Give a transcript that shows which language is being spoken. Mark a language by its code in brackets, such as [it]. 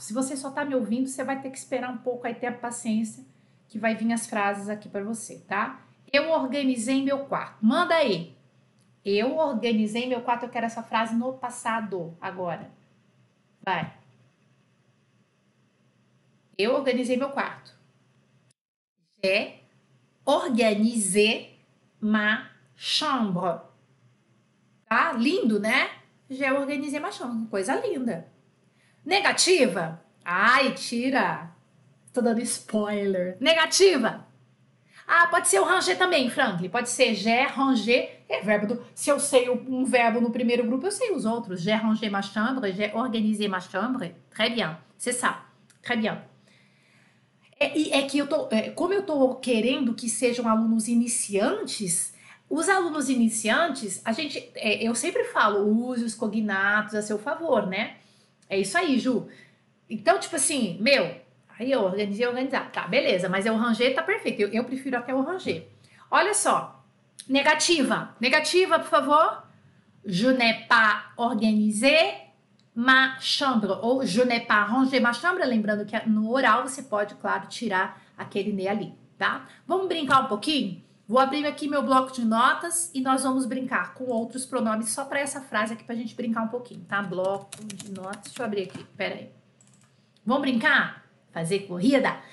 [pt] Se você só tá me ouvindo, você vai ter que esperar um pouco aí, ter a paciência, que vai vir as frases aqui pra você, tá? Eu organizei meu quarto. Manda aí. Eu organizei meu quarto. Eu quero essa frase no passado, agora. Vai. Eu organizei meu quarto. [fr] J'ai organisé ma chambre. [pt] Tá? Lindo, né? [fr] J'ai organisé ma chambre. [pt] Coisa linda. Negativa? Ai, tira. Tô dando spoiler. Negativa? Ah, pode ser o ranger também, Franklin. Pode ser [fr] j'ai rangé. [pt] É verbo do... Se eu sei um verbo no primeiro grupo, eu sei os outros. [fr] J'ai rangé ma chambre. J'ai organisé ma chambre. Très bien. C'est ça. Très bien. [pt] É que eu tô, como eu tô querendo que sejam alunos iniciantes, os alunos iniciantes, a gente, eu sempre falo, use os cognatos a seu favor, né? É isso aí, Ju. Então, tipo assim, meu, aí eu organizei, organizar. Tá, beleza, mas é o ranger, tá perfeito. Eu prefiro até o ranger. Olha só, negativa. Negativa, por favor. [fr] Je n'ai pas organisé ma chambre. Ou je n'ai pas rangé ma chambre. [pt] Lembrando que no oral você pode, claro, tirar aquele né ali, tá? Vamos brincar um pouquinho? Vou abrir aqui meu bloco de notas e nós vamos brincar com outros pronomes só para essa frase aqui pra gente brincar um pouquinho, tá? Bloco de notas. Deixa eu abrir aqui, pera aí. Vamos brincar? Fazer corrida?